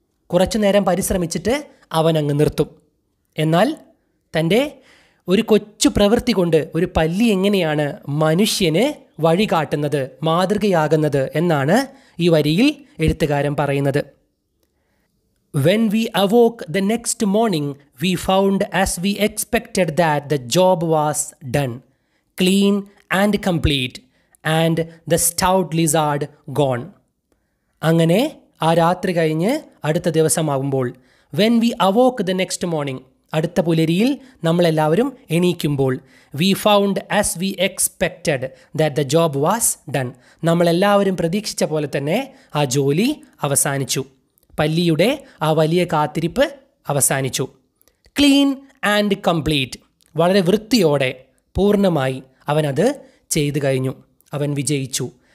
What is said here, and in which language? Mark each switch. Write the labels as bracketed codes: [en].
[ml] കുറച്ചു നേരം പരിശ്രമിച്ചിട്ട് അവനങ്ങ് നിർത്തും. എന്നാൽ തൻ്റെ ഒരു കൊച്ചു പ്രവൃത്തി കൊണ്ട് ഒരു പല്ലി എങ്ങനെയാണ് മനുഷ്യന് വഴി കാട്ടുന്നത്, മാതൃകയാകുന്നത് എന്നാണ് ഈ വരിയിൽ എഴുത്തുകാരൻ പറയുന്നത്. [en] When we awoke the next morning, we found as we expected that the job was done, clean and complete, and the stout lizard gone. [ml] അങ്ങനെ ആ രാത്രി കഴിഞ്ഞ് അടുത്ത ദിവസമാകുമ്പോൾ, [en] When we awoke the next morning, [ml] അടുത്ത പുലരിയിൽ നമ്മളെല്ലാവരും എണീക്കുമ്പോൾ, [en] We found as we expected that the job was done. [ml] നമ്മളെല്ലാവരും പ്രതീക്ഷിച്ച പോലെ തന്നെ ആ ജോലി അവസാനിച്ചു. പല്ലിയുടെ ആ വലിയ കാത്തിരിപ്പ് അവസാനിച്ചു. [en] clean and complete, [ml] വളരെ വൃത്തിയോടെ പൂർണ്ണമായി അവനത് ചെയ്തു കഴിഞ്ഞു, അവൻ വിജയിച്ചു.